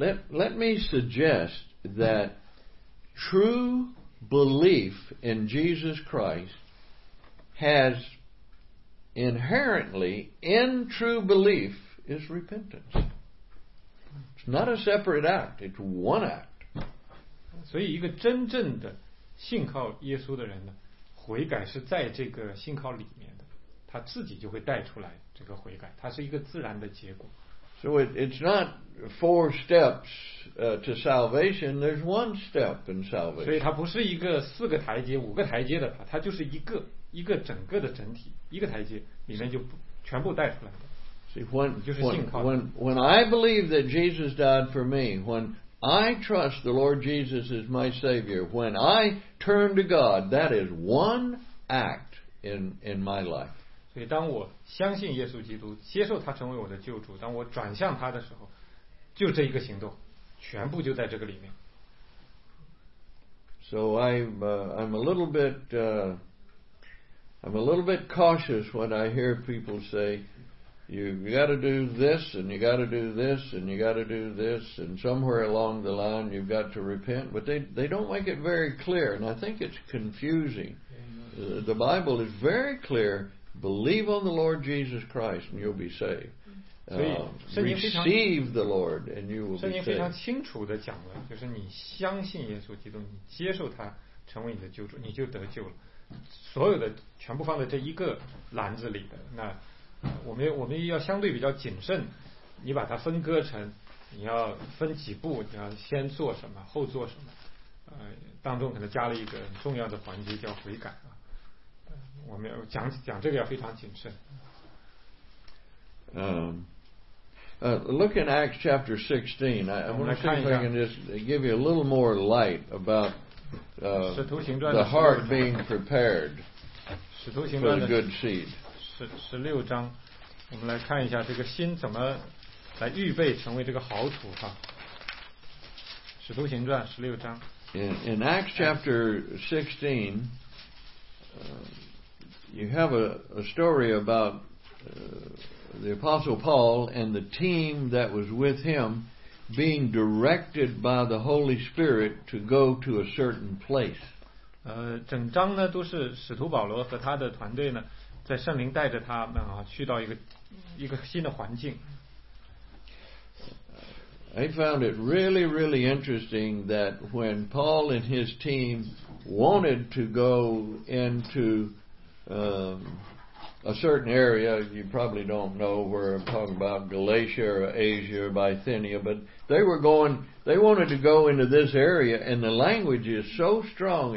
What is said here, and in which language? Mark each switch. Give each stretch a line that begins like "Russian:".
English: Let me suggest that true belief in Jesus Christ has. Inherently, in true belief is repentance. It's not a separate act; it's one act.
Chinese: 所以，一个真正的信靠耶稣的人呢，悔改是在这个信靠里面的，他自己就会带出来这个悔改，它是一个自然的结果。
English: So it's not four steps to salvation. There's one step in salvation.
Chinese: 所以，它不是一个四个台阶、五个台阶的，它就是一个整个的整体。一个台阶里面就全部带出来了。
English: See, when,
Chinese: 就是信靠。
English: When I believe that Jesus died for me, when I trust the Lord Jesus as my Savior, when I turn to God, that is one act in my life.
Chinese: 所以当我相信耶稣基督，接受他成为我的救主，当我转向他的时候，就这一个行动，全部就在这个里面。
English: So I'm a little bit. I'm a little bit cautious when I hear people say, "You've got to do this, and you got to do this, and you got to do this, and somewhere along the line you've got to repent." But they don't make it very clear, and I think it's confusing. The Bible is very clear: believe on the Lord Jesus Christ, and you'll be saved. Receive the Lord, and you will be saved.
Chinese: 圣经非常清楚地讲了，就是你相信耶稣基督，你接受他成为你的救主，你就得救了。所有的全部放在这一个篮子里的，那我们要相对比较谨慎。你把它分割成，你要分几步，你要先做什么，后做什么，当中可能加了一个很重要的环节叫悔改啊。我们要讲这个要非常谨慎。
English: Look in Acts chapter 16. I want to see if I can just give you a little more light about. The heart being prepared for the good seed.
Chinese: 16章，我们来看一下这个心怎么来预备成为这个好土哈。使徒行传十六章。
English: In Acts chapter 16, you have a story about the Apostle Paul and the team that was with him. Being directed by the Holy Spirit to go to a certain place.
Chinese: 整章呢都是使徒保罗和他的团队呢，在圣灵带着他们啊，去到一个新的环境。
English: I found it really, really interesting that when Paul and his team wanted to go into a certain area, you probably don't know where I'm talking about, Galatia or Asia or Bithynia, but they wanted to go into this area, and the language is so strong.